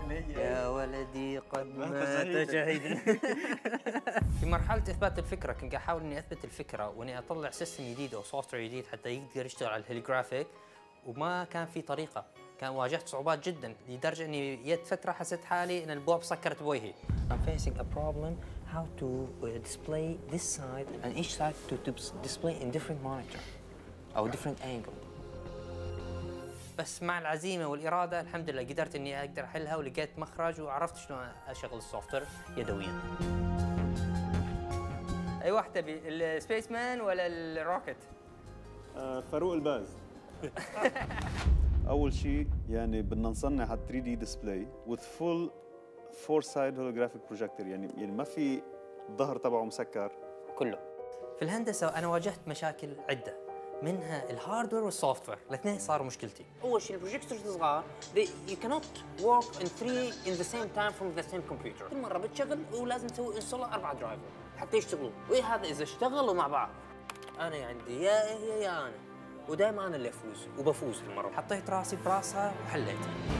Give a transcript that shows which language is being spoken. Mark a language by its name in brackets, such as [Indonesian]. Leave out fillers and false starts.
[Arabic] يا ولدي قد مات شهيدا. في مرحلة إثبات الفكرة كنت أحاول إني أثبت الفكرة وإني أطلع سيستم جديد أو سوفتوير جديد حتى يقدر يشتغل على الهيلوغرافيك، وما كان في طريقة. كان واجهت صعوبات جدا لدرجة إني جت فترة حسيت حالي إن البواب سكرت بوجهي. [English] I'm facing a problem how to display this side and each side to display in different monitor or different angle. [Arabic] بس مع العزيمة والإرادة الحمد لله قدرت إني أقدر أحلها ولقيت مخرج وعرفت شلون أشغل السوفتوير يدويا. أي واحدة تبي، السبيس مان ولا الروكت؟ فاروق الباز. أول شيء يعني بدنا نصنع على [English] 3D display with full four side holographic projector، [Arabic] يعني ما في ظهر تبعه مسكر كله. في الهندسة أنا واجهت مشاكل عدة، منها الهاردوير والسوفتوير الاثنين صاروا مشكلتي. أول شيء البروجيكتورز صغار، [English] you cannot work in three in the same time from the same computer. [Arabic] كل مرة بتشغل ولازم تسوي انستول أربعة درايفر حتى يشتغلوا، وهذا إذا اشتغلوا مع بعض. أنا عندي يا هي يا أنا، ودائما أنا اللي أفوز وبفوز المرة. حطيت راسي براسها وحليتها.